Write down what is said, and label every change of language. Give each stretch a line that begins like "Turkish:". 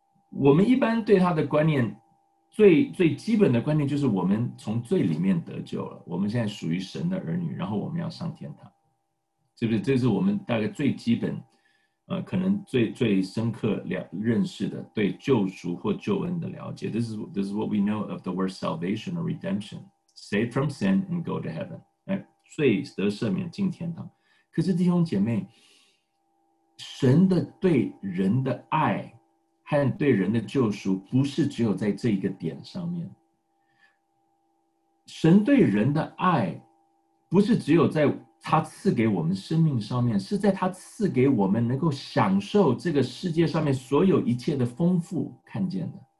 Chinese: 我们一般对他的观念最基本的观念就是我们从罪里面得救了，我们现在属于神的儿女，然后我们要上天堂，是不是？这是我们大概最基本可能最深刻认识的对救赎或救恩的了解。
English: This is what we know of the word salvation or redemption. Save from sin and go to heaven.
Chinese: 罪得赦免进天堂。可是弟兄姐妹，神的对人的爱和对人的救赎不是只有在这一个点上面。神对人的爱不是只有在他赐给我们生命上面，是在他赐给我们能够享受这个世界上面所有一切的丰富看见的。